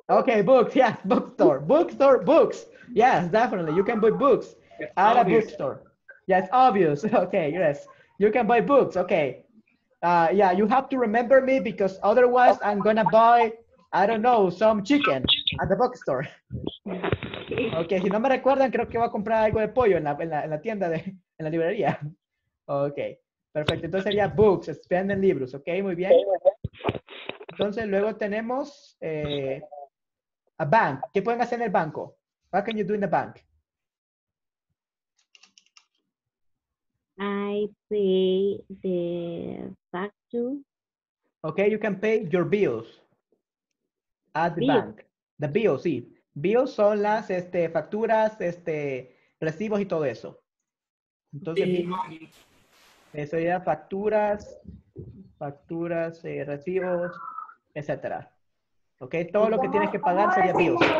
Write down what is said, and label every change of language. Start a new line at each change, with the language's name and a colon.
English: Okay, books, yes, bookstore. Bookstore, books. Yes, definitely, you can buy books at a bookstore. Yes, obvious, okay, yes. You can buy books, okay. Yeah, you have to remember me because otherwise I'm gonna buy, I don't know, some chicken at the bookstore.
Spanish: Okay, si no me recuerdan, creo que voy a comprar algo de pollo en la tienda, en la librería. Okay, perfecto. Entonces sería books, venden libros. Okay, muy bien. Entonces luego tenemos a bank. ¿Qué pueden hacer en el banco?
English: What can you do in the bank? I pay the facture. Okay, you can pay your bills at the bank. The bills, sí.
Spanish: Bills son las facturas, recibos y todo eso. Entonces, eso ya facturas, recibos, etcétera. Okay, todo lo que tienes que pagar sería bills.